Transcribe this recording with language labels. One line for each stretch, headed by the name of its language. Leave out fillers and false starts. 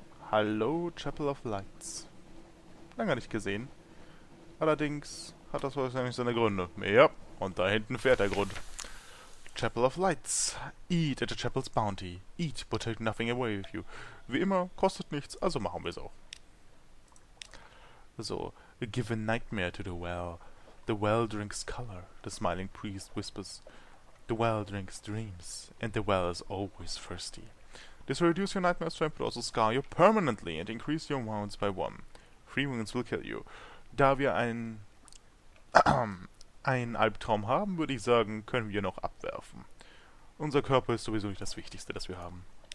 German: Hallo, Chapel of Lights. Lange nicht gesehen. Allerdings hat das wahrscheinlich seine Gründe. Ja, und da hinten fährt der Grund.
English: Chapel of Lights. Eat at the Chapel's Bounty. Eat, but take nothing away with you.
German: Wie immer, kostet nichts, also machen wir es auch.
English: So, give a nightmare to the well. The well drinks color, the smiling priest whispers. The well drinks dreams, and the well is always thirsty. This will reduce your nightmare strength, but also scar you permanently and increase your wounds by one. 3 wounds will kill you.
German: Da wir einen Albtraum haben, würde ich sagen, können wir noch abwerfen. Unser Körper ist sowieso nicht das Wichtigste, das wir haben.